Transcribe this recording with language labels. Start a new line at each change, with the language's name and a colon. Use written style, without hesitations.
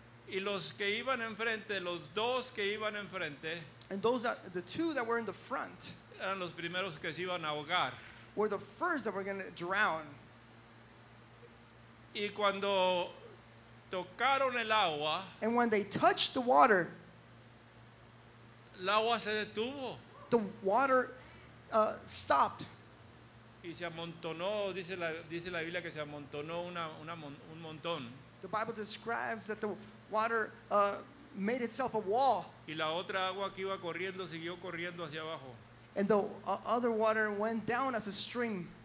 Spanish: Y los que iban enfrente, los dos que iban enfrente,
English: and those that, the two that were in the front,
Spanish: eran los primeros que se iban a ahogar,
English: were the first that were going to drown.
Spanish: Y cuando tocaron el agua,
English: and when they touched the water,
Spanish: el agua se detuvo.
English: The water stopped.
Spanish: Y se amontonó, dice la Biblia que se amontonó un montón.
English: The Bible describes that the water made itself a wall.
Spanish: Y la otra agua que iba corriendo siguió corriendo hacia abajo.
English: And the other water went down as a stream.